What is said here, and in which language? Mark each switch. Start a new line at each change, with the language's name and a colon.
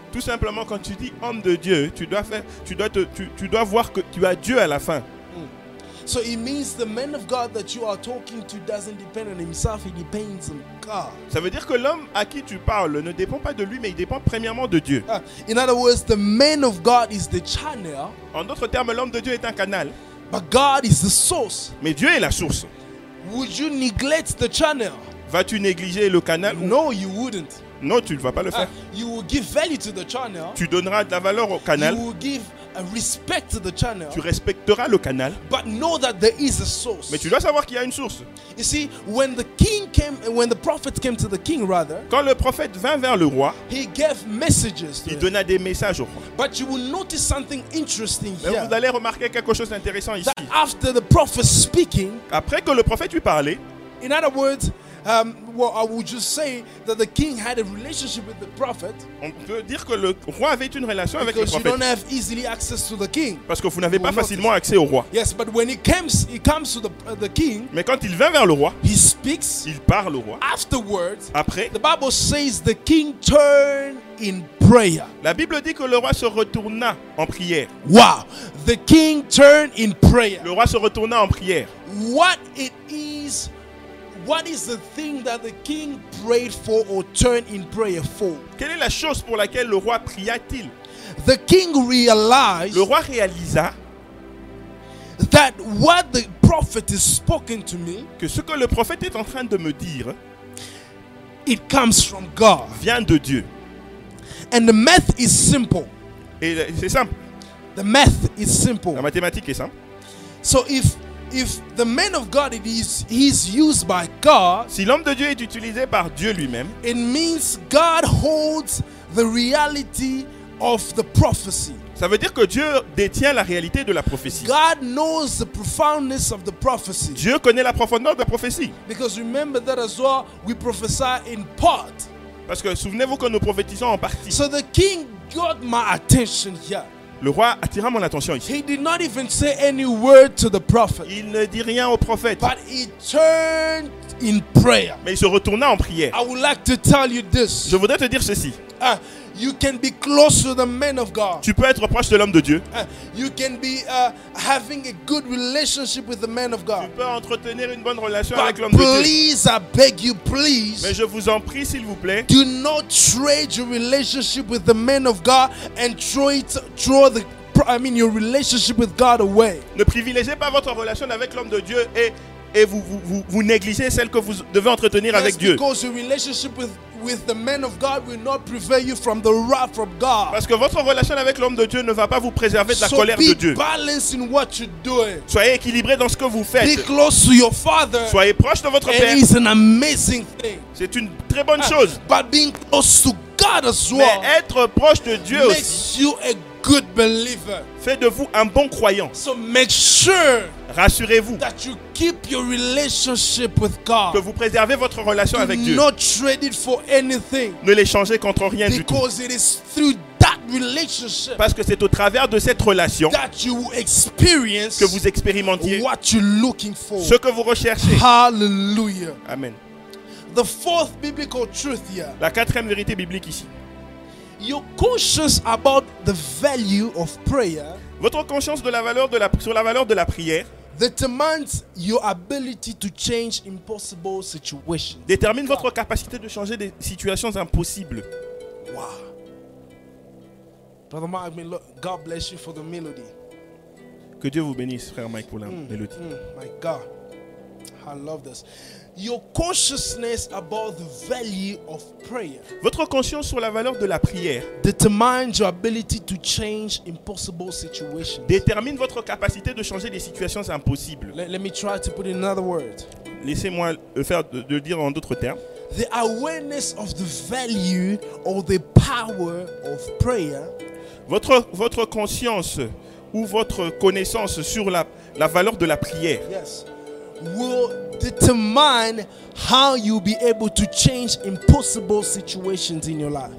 French: Tout simplement, quand tu dis homme de Dieu, tu dois voir que tu as Dieu à la fin.
English: So it means the man of God that you are talking to doesn't depend on himself; he depends on God.
French: Ça veut dire que l'homme à qui tu parles ne dépend pas de lui, mais il dépend premièrement de Dieu.
English: In other words, the man of God is the channel.
French: En d'autres termes, l'homme de Dieu est un canal.
English: But God is the source.
French: Mais Dieu est la source.
English: Would you neglect the channel?
French: Vas-tu négliger le canal?
English: No, you wouldn't.
French: Non, tu ne vas pas le faire.
English: You will give value to the channel.
French: Tu donneras de la valeur au canal.
English: You will give respect to the channel.
French: Tu respecteras le canal.
English: But know that there is a source.
French: Mais tu dois savoir qu'il y a une source.
English: You see, when the king came, when the prophet came to the king, rather,
French: quand le prophète vint vers le roi,
English: he gave messages.
French: Il donna des messages au roi.
English: But you will notice something interesting
French: Mais
English: here.
French: Vous allez remarquer quelque chose d'intéressant ici.
English: That after the prophet speaking,
French: après que le prophète lui parlait,
English: in other words, I would just say that the king had a relationship with the prophet.
French: On peut dire que le roi avait une relation avec le prophète.
English: Because you don't have easily access to the king.
French: Parce que vous n'avez pas facilement accès au roi.
English: Yes, but when he comes to the king.
French: Mais quand il vient vers le roi,
English: he speaks.
French: Il parle au roi.
English: Afterwards,
French: après,
English: the Bible says the king turned in prayer.
French: La Bible dit que le roi se retourna en prière.
English: Wow, the king turned in prayer.
French: Le roi se retourna en prière.
English: What it is. What is the thing that the king prayed for or turned in prayer for?
French: Quelle est la chose pour laquelle le roi pria-t-il?
English: The king realized.
French: Le roi réalisa
English: that what the prophet is spoken to me.
French: Que ce que le prophète est en train de me dire.
English: It comes from God.
French: Vient de Dieu.
English: And the math is simple.
French: Et c'est simple.
English: The math is simple.
French: La mathématique est simple.
English: So if the man of God is used by God,
French: si l'homme de Dieu est utilisé par Dieu lui-même,
English: it means God holds the reality of the prophecy.
French: Ça veut dire que Dieu détient la réalité de la prophétie.
English: God knows the profoundness of the prophecy.
French: Dieu connaît la profondeur de la prophétie.
English: Because remember that as well, we prophesy in part.
French: Parce que souvenez-vous que nous prophétisons en partie.
English: So the king got my attention here.
French: Le roi attira mon attention ici.
English: He did not even say any word to the prophet.
French: Il ne dit rien au prophète.
English: But he turned in prayer.
French: Mais il se retourna en prière.
English: I would like to tell you this.
French: Je voudrais te dire ceci.
English: You can be close to the man of God.
French: Tu peux être proche de l'homme de Dieu.
English: You can be having a good relationship with the man of God.
French: Tu peux entretenir une bonne relation
English: but
French: avec l'homme de Dieu.
English: Please, I beg you, please.
French: Mais je vous en prie, s'il vous plaît.
English: Do not trade your relationship with the man of God and throw your relationship with God away.
French: Ne privilégiez pas votre relation avec l'homme de Dieu et vous négligez celle que vous devez entretenir
English: yes,
French: avec Dieu.
English: Because your relationship with the man of God will not prevent you from the wrath of God.
French: Parce que votre relation avec l'homme de Dieu ne va pas vous préserver de la
English: so
French: colère de Dieu.
English: So be balanced in what you do.
French: Soyez équilibré dans ce que vous faites.
English: Be close to your father.
French: Soyez proche de votre père.
English: It is an amazing thing.
French: C'est une très bonne chose.
English: But being close to God as well.
French: Mais être proche de Dieu
English: makes
French: aussi
English: you a good believer.
French: Fait de vous un bon croyant.
English: So make sure.
French: Rassurez-vous
English: that you keep your relationship with God.
French: Que vous préservez votre relation
English: do
French: avec Dieu.
English: Not trade it for anything.
French: Ne l'échangez contre rien
English: because
French: du tout.
English: Because it is through that relationship.
French: Parce que c'est au travers de cette relation
English: that you experience
French: que vous expérimentiez
English: what you're looking for.
French: Ce que vous recherchez. Hallelujah. Amen.
English: The fourth biblical truth here.
French: La quatrième vérité biblique ici.
English: You're conscious about the value of prayer.
French: Votre conscience de la valeur de la sur la valeur de la prière
English: determines your ability to change impossible situations.
French: Détermine votre capacité de changer des situations impossibles.
English: Wow. Brother Mike, God bless you for the melody.
French: Que Dieu vous bénisse, frère Mike, pour la mélodie.
English: My God, I love this. Your consciousness about the value of prayer.
French: Votre conscience sur la valeur de la prière
English: determines your ability to change impossible situations.
French: Détermine votre capacité de changer des situations impossibles.
English: Let me try to put in another word.
French: Laissez-moi le faire de le dire en d'autres termes.
English: The awareness of the value or the power of prayer.
French: Votre conscience ou votre connaissance sur la valeur de la prière.
English: Yes. Will determine how you'll be able to change impossible situations in your life.